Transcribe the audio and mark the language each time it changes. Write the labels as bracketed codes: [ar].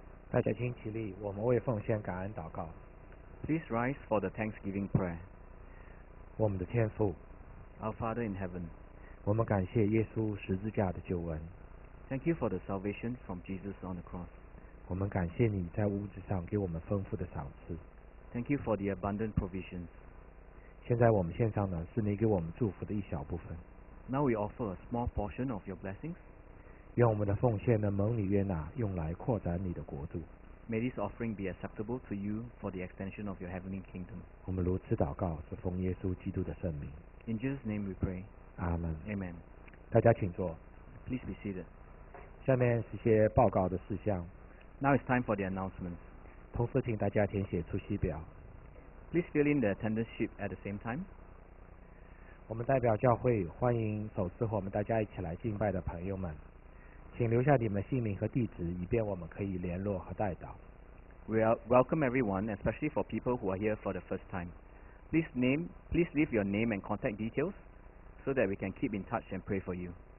[zh] 大家请起立，我们为奉献感恩祷告。 [en] Please rise for the Thanksgiving prayer. [zh] 我们的天父 [en] ，Our Father in heaven， [zh] 我们感谢耶稣十字架的救恩。 [en] Thank you for the salvation from Jesus on the cross. [zh] 我们感谢你在屋子上给我们丰富的赏赐。 [en] Thank you for the abundant provisions. [zh] 现在我们献上的是你给我们祝福的一小部分。 [en] Now we offer a small portion of your blessings. [zh] 愿我们的奉献能蒙你悦纳，用来扩展你的国度。 [en] May this offering be acceptable to you for the extension of your heavenly kingdom. [zh] 我们如此祷告，是奉耶稣基督的圣名。 [en] In Jesus' name we pray. Amen. Amen. [zh] 大家请坐。 [en] Please be seated. [zh] 下面是些报告的事项。 [en] Now it's time for the announcements. [zh] 同时请大家填写出席表。 [en] Please fill in the attendance sheet at the same time. [zh] 我们代表教会欢迎首次和我们大家一起来敬拜的朋友们。请留下你们的姓名和地址，以便我们可以联络和代祷。 [en] We welcome everyone, especially for people who are here for the first time. Please leave your name and contact details so that we can keep in touch and pray for you.